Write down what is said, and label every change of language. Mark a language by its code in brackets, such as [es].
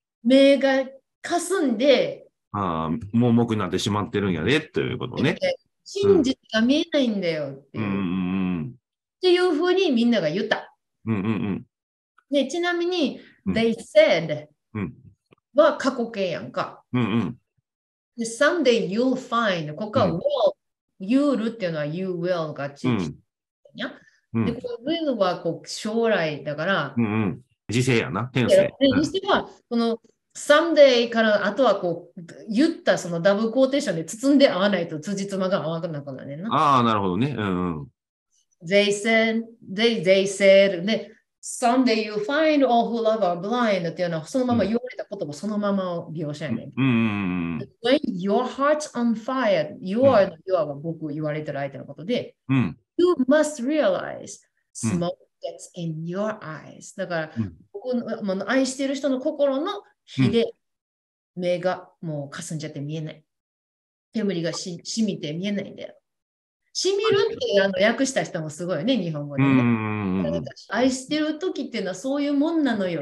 [ja] 目が霞んであ盲目になってしまってるんやねということね真実が見えないんだよっていう、うん、っていうふうにみんなが言った、うんうんうん、でちなみに、うん、 [en] They said、 [ja] うん、は過去形やんか、うんうん、 [en] Someday you'll find [ja] ここは、うん、will you'll っていうのは you will がちっちゃい、うん、will はこう将来だから、うんうん、時勢やな転生でにしては、うん、このSomeday からあとはこう言ったそのダブルコーテーションで包んで合わないと辻褄が合わなくなるな。ああ、なるほどね。うん、うん。 [en] They said, they said, [ja] で、 [en] Someday you find all who love are blind [ja] っていうのはそのまま言われた言葉そのまま描写やねん。うん。 [en] When your heart's on fire, you are the you are [ja] 僕言われてる相手のことで、うん、 [en] You must realize smoke gets in your eyes. [ja] だから、うん、僕の、愛してる人の心の火で目がもう霞んじゃって見えない。うん、煙が染みて見えないんだよ。染みるって訳した人もすごいね、日本語で、ね。愛してる時っていうのはそういうもんなのよ。